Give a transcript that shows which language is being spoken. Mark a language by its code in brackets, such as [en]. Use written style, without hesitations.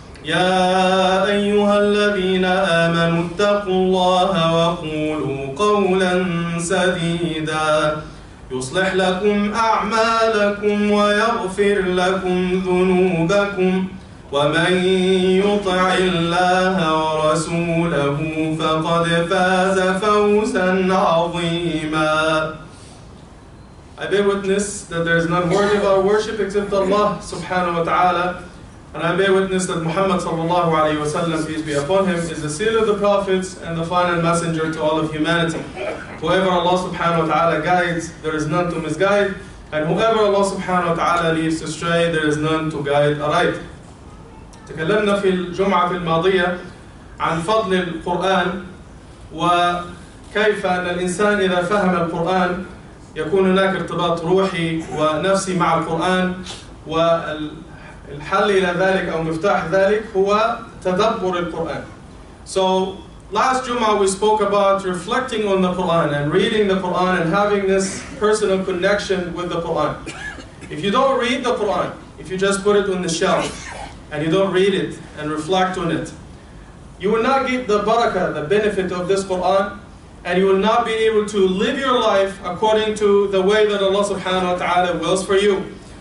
[ar] يا أيها الذين آمنوا اتقوا الله وقولوا قولا سديدا يصلح لكم أعمالكم ويغفر لكم ذنوبكم، ومن يطع الله ورسوله فقد فاز فوزا عظيما. [en] I bear witness that there is none worthy of our worship except Allah subhanahu wa ta'ala, and I bear witness that Muhammad sallallahu alayhi wa sallam, peace be upon him, is the seal of the prophets and the final messenger to all of humanity. Whoever Allah subhanahu wa ta'ala guides, there is none to misguide, and whoever Allah subhanahu wa ta'ala leaves astray, there is none to guide aright. [ar] تكلمنا في الجمعة الماضية عن فضل القرآن وكيف أن الإنسان إذا فهم القرآن يكون هناك ارتباط روحي ونفسي مع القرآن، والحل إلى ذلك أو مفتاح ذلك هو تدبر القرآن. [en] So last Jum'ah we spoke about reflecting on the Quran and reading the Quran and having this personal connection with the Quran. If you don't read the Quran, if you just put it on the shelf and you don't read it and reflect on it, you will not get the barakah, the benefit of this Quran, and you will not be able to live your life according to the way that Allah subhanahu wa ta'ala wills for you.